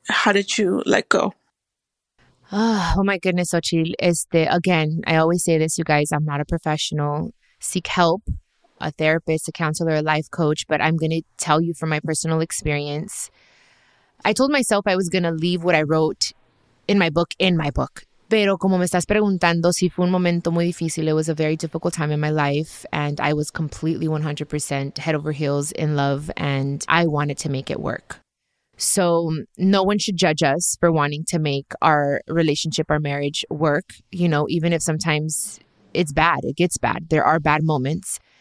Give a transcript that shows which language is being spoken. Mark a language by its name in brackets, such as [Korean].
[English] How did you let go? Oh my goodness, Ochil. Again, I always say this, you guys. I'm not a professional. Seek help, a therapist, a counselor, a life coach. But I'm going to tell you from my personal experience. I told myself I was going to leave what I wrote in my book in my book. [Spanish] Pero como me estás preguntando, si fue un momento muy difícil, [English] it was a very difficult time in my life. And I was completely 100% head over heels in love. And I wanted to make it work. So no one should judge us for wanting to make our relationship, our marriage work. You know, even if sometimes it's bad, it gets bad. There are bad moments.